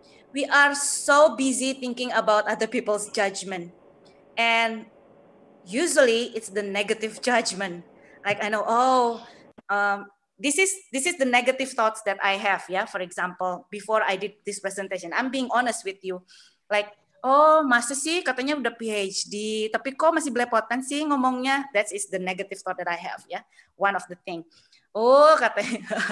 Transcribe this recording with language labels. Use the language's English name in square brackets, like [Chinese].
[English] We are so busy thinking about other people's judgment. And usually it's the negative judgment. Like I know, this is the negative thoughts that I have. Yeah, for example, before I did this presentation, I'm being honest with you. Like, [Indonesian] oh, masa sih katanya udah PhD, tapi kok masih belepotan sih ngomongnya? [English] That is the negative thought that I have, yeah. One of the thing. [Indonesian] Oh, katanya.